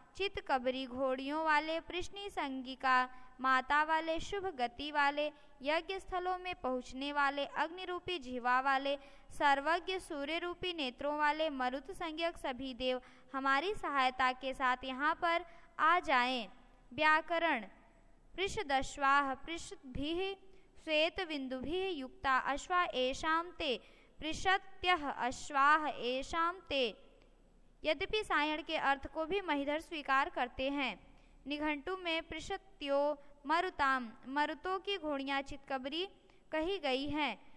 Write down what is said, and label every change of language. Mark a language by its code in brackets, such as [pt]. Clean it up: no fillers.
[hi] चित कबरी घोड़ियों वाले प्रश्नी संगिका माता वाले शुभ गति वाले यज्ञ स्थलों में पहुँचने वाले अग्नि रूपी जीवा वाले सर्वज्ञ सूर्य रूपी नेत्रों वाले मरुत संज्ञक सभी देव हमारी सहायता के साथ यहाँ पर आ जाएं। [sa] व्याकरण पृषदश्वाह पृषद्भिः श्वेत बिंदुभिः युक्ता अश्वा एषां ते पृषत्यः अश्वाः एषां ते। [hi] यद्यपि सायण के अर्थ को भी महिधर स्वीकार करते हैं। निघंटु में पृषत्यो मरुताम मरुतों की घोड़ियां चितकबरी कही गई हैं।